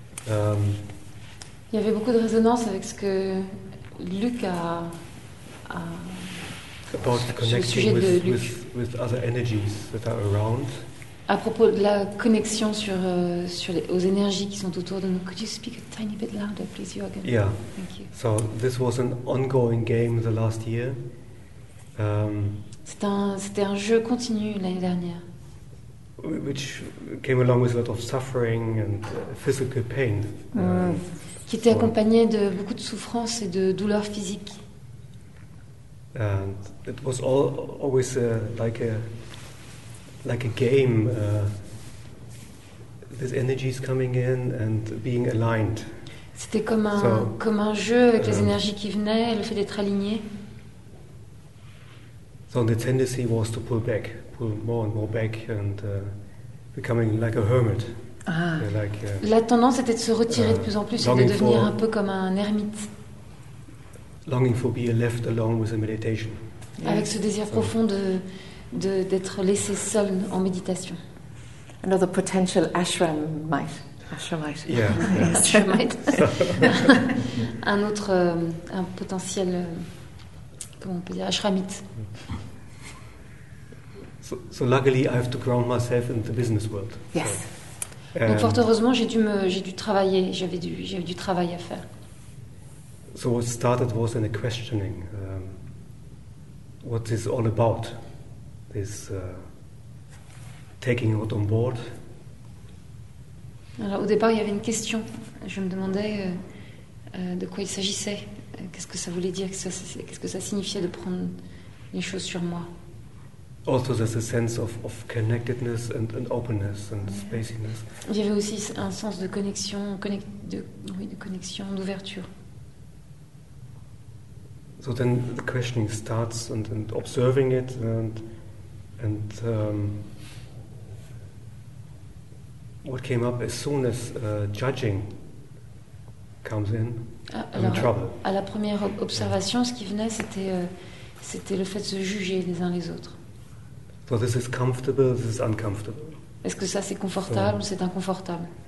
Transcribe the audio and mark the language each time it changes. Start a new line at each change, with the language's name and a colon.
French: Il y avait beaucoup de résonance avec ce que Luc a
English: about connecting
French: sujet de
English: with other energies that are around.
French: À propos de la connexion aux énergies qui sont autour de nous.
English: Could you speak a tiny bit louder, please, Jürgen? Yeah. Thank you. So this was an ongoing game the last year.
French: C'était un jeu continu l'année dernière.
English: Which came along with a lot of suffering and physical pain.
French: Qui était accompagné de beaucoup de souffrances et de douleurs physiques.
English: And it was all always like a game. These energies coming in and being aligned.
French: C'était comme un jeu avec les énergies qui venaient, le fait d'être aligné.
English: So the tendency was to pull back, pull more and more back, and becoming like a hermit.
French: La tendance était de se retirer de plus en plus et de devenir un peu comme un ermite.
English: Longing for being left alone with the meditation.
French: Avec ce désir profond d'être laissé seul en méditation.
English: Another potential ashramite. Yeah. Ashramite.
French: Un autre un potentiel comment on peut dire ashramite.
English: So luckily, I have to ground myself in the business world. Yes.
French: Donc fort heureusement, j'avais du travail à faire.
English: So what started was in a questioning, what is all about this taking it on board.
French: Alors au départ, il y avait une question. Je me demandais de quoi il s'agissait. Qu'est-ce que ça voulait dire? Qu'est-ce que ça signifiait de prendre les choses sur moi?
English: Also, there's a sense of connectedness and openness and spaciness.
French: Il y avait aussi un sens de connexion, de connexion, d'ouverture.
English: So then the questioning starts and observing it and what came up as soon as judging comes in, I'm in trouble.
French: À la première observation, ce qui venait, c'était le fait de se juger les uns les autres.
English: So this is comfortable, this is uncomfortable.
French: Est-ce que ça c'est confortable ou c'est inconfortable?